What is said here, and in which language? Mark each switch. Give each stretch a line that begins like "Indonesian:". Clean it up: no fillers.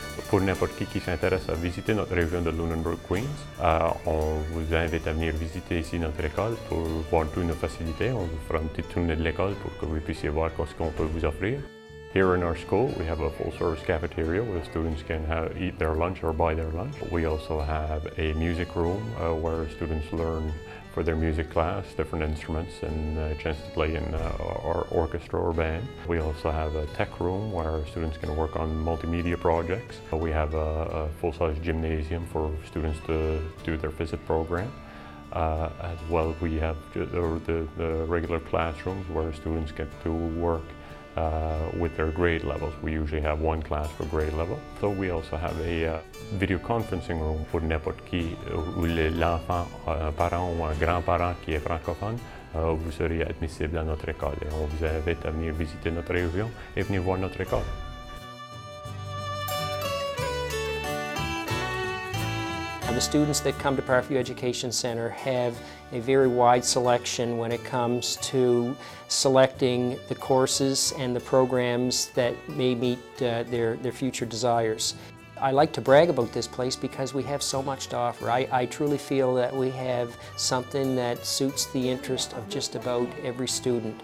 French: Pour n'importe qui s'intéresse à visiter notre région de Lunenburg, Queens, on vous invite à venir visiter ici notre école pour voir toutes nos facilités. On vous fera une petite tournée de l'école pour que vous puissiez voir ce qu'on peut vous offrir.
English: Here in our school, we have a full-service cafeteria where students can eat their lunch or buy their lunch. We also have a music room where students learn for their music class, different instruments, and a chance to play in our orchestra or band. We also have a tech room where students can work on multimedia projects. We have a full-size gymnasium for students to do their visit program. As well, we have the regular classrooms where students get to work with their grade levels. We usually have one class for grade level. So we also have a video conferencing room
French: pour n'importe qui, où l'enfant, un parent ou un grand-parent qui est francophone vous serez admissible à notre école et on vous invite à venir visiter notre région et venir voir notre école.
English: The students that come to Parkview Education Center have a very wide selection when it comes to selecting the courses and the programs that may meet their future desires. I like to brag about this place because we have so much to offer. I truly feel that we have something that suits the interest of just about every student.